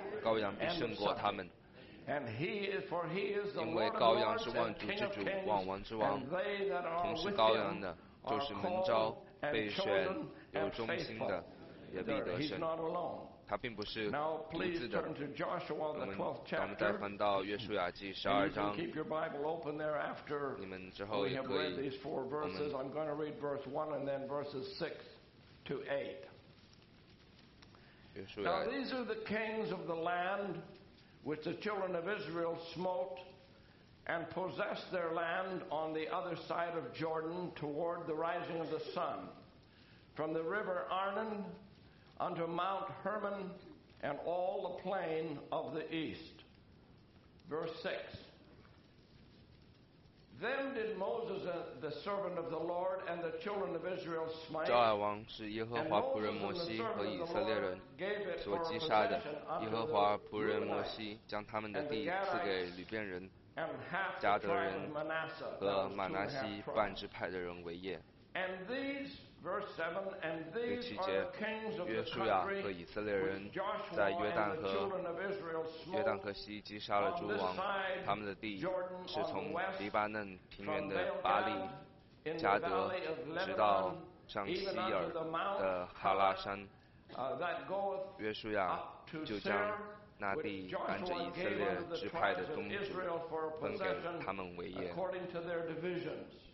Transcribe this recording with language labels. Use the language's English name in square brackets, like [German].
[Chinese] 羔羊必胜过他们。 [English] And he is, for he is the Lord of lords and King of kings. And they that are with him are called and chosen and faithful. He's not alone. [Chinese] 他并不是独自的。 [English] Now please turn to Joshua the 12th chapter. [Chinese] 我们再翻到约书亚记十二章。 [English] Keep your Bible open there after. [Chinese] 你们之后也可以。 [English] We have read these four verses. I'm going to read verse 1 and then verses 6 to 8. [Chinese] 约书亚。 [English] Now these are the kings of the land which the children of Israel smote and possessed their land on the other side of Jordan toward the rising of the sun, from the river Arnon. Unto Mount Hermon and all the plain of the east. Verse 6. Then did Moses, the servant of the Lord, and the children of Israel smite. [Chinese] 赵尔王是耶和华仆人摩西和以色列人所击杀的。耶和华仆人摩西将他们的地赐给吕便人、加德人和马拿西半支派的人为业。 [English] And these, verse 7, and these are the kings of the country which Joshua and the children of Israel smote on this side, Jordan on the west, from Baal-gad in the valley of Lebanon, even unto the mount that goeth up to Seir, which Joshua gave unto the tribes of Israel for a possession according to their divisions.